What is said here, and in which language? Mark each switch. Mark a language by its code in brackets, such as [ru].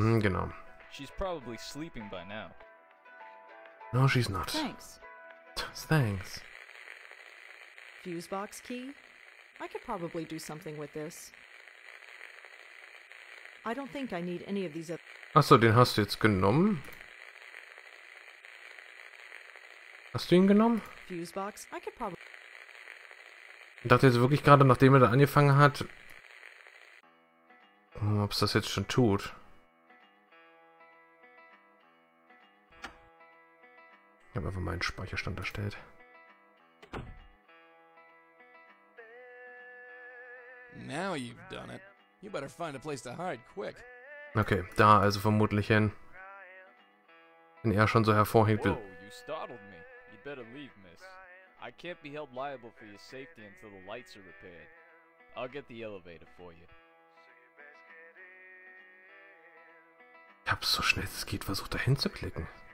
[de] Genau. [en] She's probably sleeping by now. No, she's not. Thanks. Thanks. Fuse box key? I could probably do something with this. I don't think I need any of these. [de] Achso, den hast du jetzt genommen? Hast du ihn genommen? [en] Fuse box? I could probably. [de] Ich dachte jetzt wirklich gerade, nachdem er da angefangen hat, ob es das jetzt schon tut. Ich habe einfach meinen Speicherstand erstellt. [en] Now you've done it. You better find a place to hide quick. [de] Okay, da also vermutlich hin. Wenn er schon so hervorhebt. [en] Whoa, you startled me. You better leave, miss. I can't be held liable for your safety until the lights are repaired. I'll get the elevator for you. [de] Ich hab's so schnell es geht versucht dahin zu klicken.